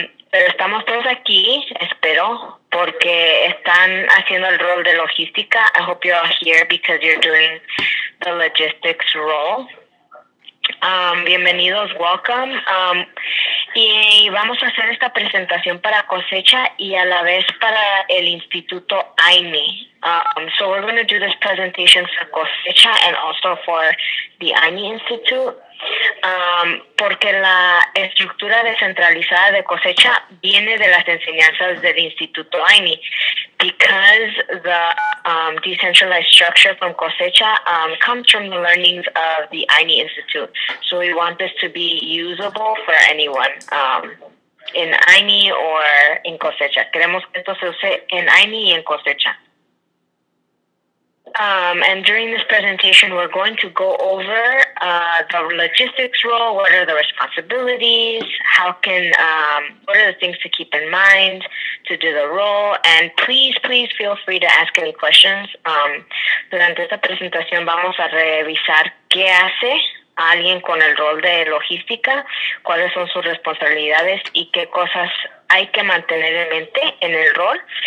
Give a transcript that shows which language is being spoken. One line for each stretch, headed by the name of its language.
Spanish: Pero estamos todos aquí, espero, porque están haciendo el rol de logística.
English: I hope you're all here because you're doing the logistics role.
Spanish: Bienvenidos, welcome. Y vamos a hacer esta presentación para Cosecha y a la vez para el Instituto AIME.
English: So we're going to do this presentation for Cosecha and also for the AIME Institute, porque la estructura descentralizada de Cosecha viene de las enseñanzas del Instituto AIME. Because the decentralized structure from Cosecha comes from the learnings of the AIME Institute. So we want this to be usable for anyone in AIME or in Cosecha.
Spanish: Queremos que esto se use en AIME y en Cosecha.
English: And during this presentation, we're going to go over the logistics role, what are the responsibilities, how can, what are the things to keep in mind to do the role, and please, please feel free to ask any questions.
Spanish: Durante esta presentación vamos a revisar qué hace alguien con el rol de logística, cuáles son sus responsabilidades y qué cosas hay que mantener en mente en el rol.